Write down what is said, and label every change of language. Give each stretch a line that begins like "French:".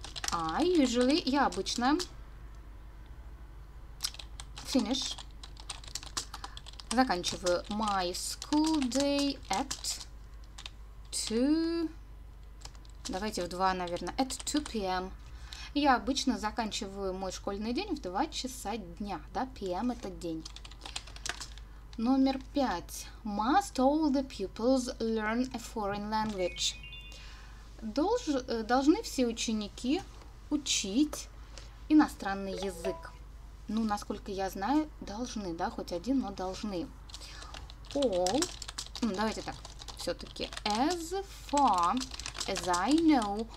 English: I usually,
Russian: я обычно
English: finish,
Russian: заканчиваю
English: my school day at 2,
Russian: давайте в 2, наверное,
English: at 2 p.m.
Russian: Я обычно заканчиваю мой школьный день в 2 часа дня, да, p.m. это день. Номер 5.
English: Must all the pupils learn a foreign language?
Russian: Должны все ученики учить иностранный язык? Ну, насколько я знаю, должны, да, хоть один, но должны.
English: All,
Russian: давайте так, все-таки.
English: As far as I know.